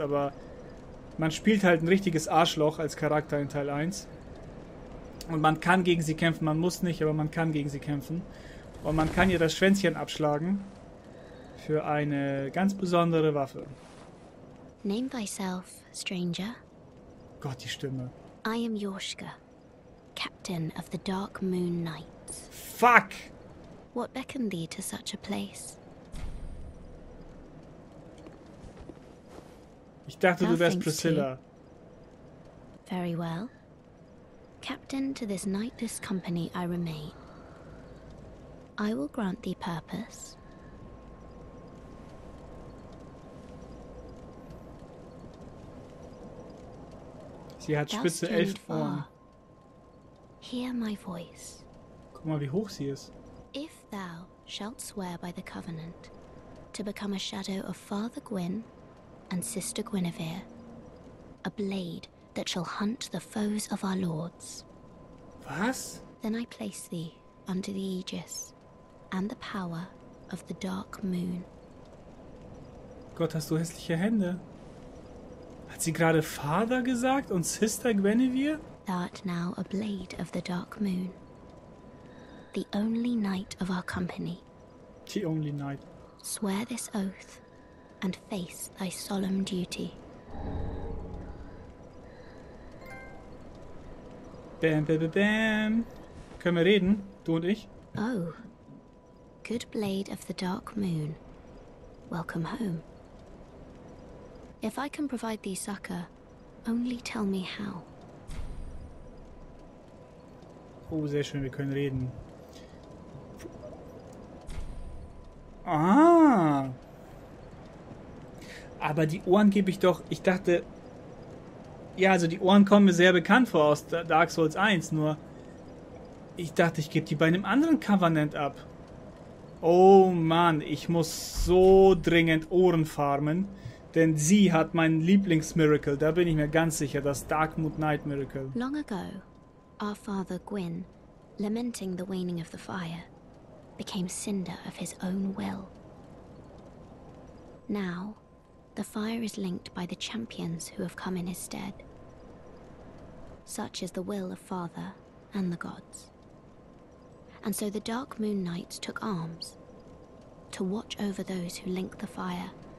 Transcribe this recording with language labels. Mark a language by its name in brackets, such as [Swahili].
[German] Aber man spielt halt ein richtiges Arschloch als Charakter in Teil 1. Und man kann gegen sie kämpfen. Man muss nicht, aber man kann gegen sie kämpfen. Und man kann ihr das Schwänzchen abschlagen. Für eine ganz besondere Waffe. [English] Name thyself, stranger. [German] Gott, die Stimme. [English] I am Yoshka, captain of the Dark Moon Knights. Fuck! What beckoned thee to such a place? [German] Ich dachte, du wärst Priscilla. [English] Very well. Captain to this nightless company I remain. I will grant thee purpose. [German] Sie hat spitze 11 Ohren. [English] Hear my voice. [German] Guck mal, wie hoch sie ist. [English] If thou shalt swear by the covenant to become a shadow of Father Gwyn and Sister Guinevere, a blade that shall hunt the foes of our lords. [German] Was? [English] Then I place thee under the aegis and the power of the Dark Moon. [German] Gott, hast du hässliche Hände. Hat sie gerade Vater gesagt und Sister Guinevere? [English] Thou art now a blade of the Dark Moon. The only knight of our company. The only knight. Swear this oath and face thy solemn duty. Bam, bam, bam, bam. [German] Können wir reden, du und ich? [English] Oh, good blade of the Dark Moon. Welcome home. If I can provide thee succor, only tell me how. [German] Oh, sehr schön, wir können reden. Ah! Aber die Ohren gebe ich doch... Ich dachte... Ja, also die Ohren kommen mir sehr bekannt vor aus Dark Souls 1, nur... Ich dachte, ich gebe die bei einem anderen Covenant ab. Oh Mann, ich muss so dringend Ohren farmen. Denn sie hat mein Lieblingsmiracle. Da bin ich mir ganz sicher, das Darkmoot Night Miracle. [English] Long ago, our father Gwyn, lamenting the waning of the fire, became cinder of his own will. Now, the fire is linked by the champions who have come in his stead. Such is the will of father and the gods. And so the Dark Moon Knights took arms to watch over those who link the fire.